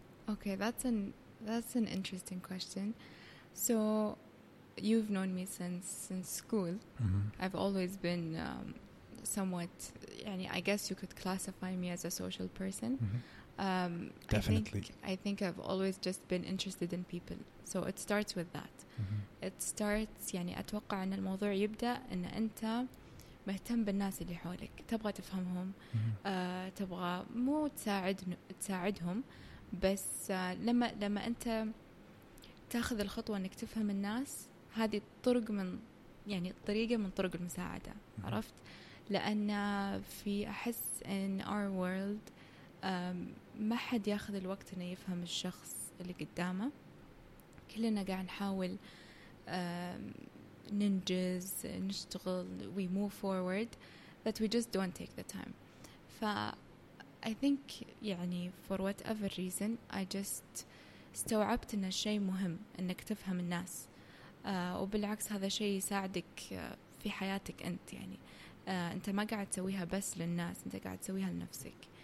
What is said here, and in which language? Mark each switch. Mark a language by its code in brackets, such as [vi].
[en] Okay, that's an interesting question. So you've known me since school. Mm-hmm. I've always been somewhat, yani, I guess you could classify me as a social person. Mm-hmm. Definitely. I think I've always just been interested in people. So it starts with that. Mm-hmm. It starts, [ar] يعني أتوقع أن الموضوع يبدأ أن أنت مهتم بالناس اللي حولك. تبغى تفهمهم. Mm-hmm. تبغى مو تساعدهم. بس لما أنت تأخذ الخطوة أنك تفهم الناس, هذه طرق من يعني طريقة من طرق المساعدة. Mm-hmm. عرفت؟ لأن في أحس [en] in our world [ar] ما حد يأخذ الوقت أنه يفهم الشخص اللي قدامه. كلنا قاعد نحاول ننجز, نشتغل, [en] we move forward, that we just don't take the time. [ar] ف [en] I think [ar] يعني [en] for whatever reason I just [ar] استوعبت إن الشيء مهم إنك تفهم الناس, وبالعكس هذا شيء يساعدك في حياتك أنت, يعني أنت ما قاعد تسويها بس للناس, أنت قاعد تسويها لنفسك.